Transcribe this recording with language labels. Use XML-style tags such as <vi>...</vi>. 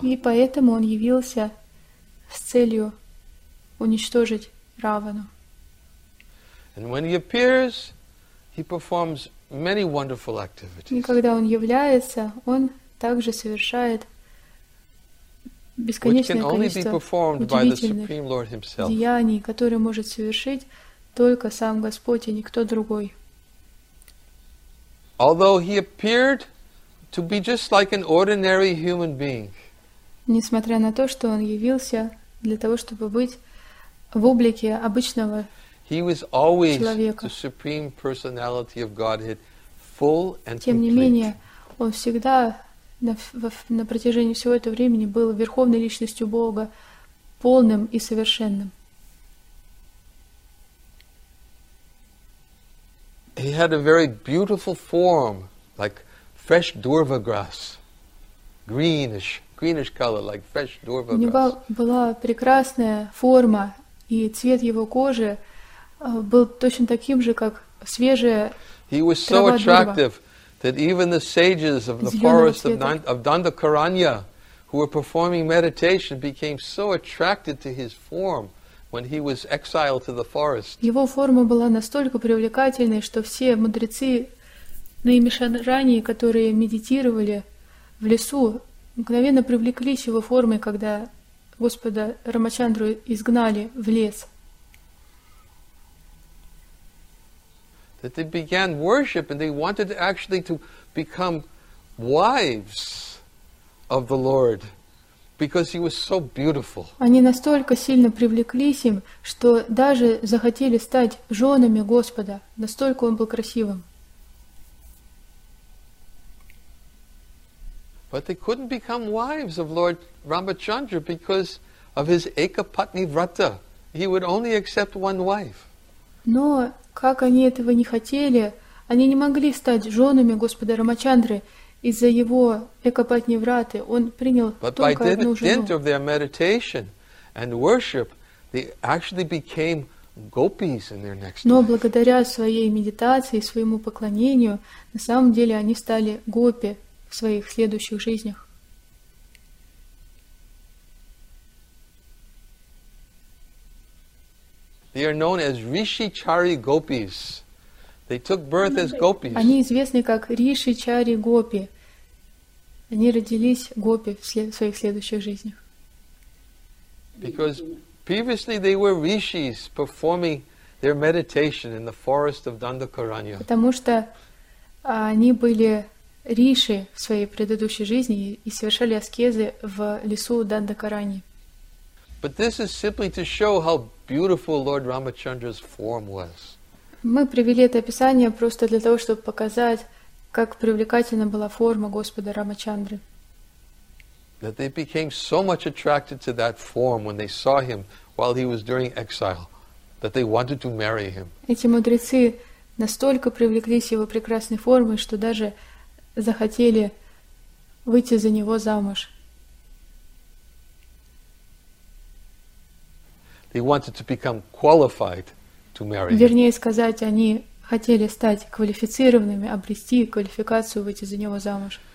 <ru>И поэтому он явился с целью уничтожить Равану.</ru> <en>And when he appears, he performs many wonderful activities.</en> <ru>И когда он является, он также совершает бесконечное количество удивительных деяний, которые может совершить только сам Господь и никто другой.</ru> <en>Although he appeared to be just like an ordinary human being.</en> <ru>Несмотря на то, что он явился для того, чтобы быть в облике обычного человека.</ru> <en>He was always the supreme personality of Godhead, full and complete.</en> <ru>Тем не менее, он всегда на протяжении всего этого времени был верховной личностью Бога, полным и совершенным.</ru> <en>He had a very beautiful form, like fresh durva grass, greenish color, like fresh durva grass.</en> <ru>У него была прекрасная форма, и цвет его кожи был точно таким же, как свежая трава дерева.</ru> <en>He was so attractive that even the sages of the forest of Dandakaranya, who were performing meditation, became so attracted to his form. When he was exiled to the forest.</en> <ru>Его форма была настолько привлекательной, что все мудрецы Наимишаньи, которые медитировали в лесу, мгновенно привлеклись его формой, когда Господа Рамачандру изгнали в лес.</ru> <en>That they began worship and they wanted actually to become wives of the Lord. Because he was so beautiful.</en> <ru>Они настолько сильно привлеклись им, что даже захотели стать женами Господа, настолько он был красивым.</ru> <en>But they couldn't become wives of Lord Ramachandra because of his ekapatni vrata. He would only accept one wife.</en> <ru>Но как они этого не хотели, они не могли стать женами Господа Рамачандры. Из-за его экапатни враты он принял только одну жену.</ru> <en>Of their meditation and worship, they actually became gopis in their next life.</en> <ru>Но благодаря своей медитации, своему поклонению, на самом деле они стали гопи в своих следующих жизнях.</ru> <en>They are known as Rishichari gopis. They took birth as gopis.</en> <ru>Они известны как Ришичари гопи. Они родились гопи в своих следующих жизнях.</ru> <en>Because previously they were rishis performing their meditation in the forest of Dandakaranya.</en> <ru>Потому что они были риши в своей предыдущей жизни и совершали аскезы в лесу Дандакарани.</ru> <en>But this is simply to show how beautiful Lord Ramachandra's form was.</en> <ru>Мы привели это описание просто для того, чтобы показать, как привлекательна была форма Господа Рамачандры.</ru> <en>That they became so much attracted to that form when they saw him while he was during exile, that they wanted to marry him.</en> <ru>Эти мудрецы настолько привлеклись его прекрасной формой, что даже захотели выйти за него замуж.</ru> <en>They wanted to become qualified to marry.</en> <ru>Вернее сказать, они хотели стать квалифицированными, обрести квалификацию выйти за него замуж.</ru>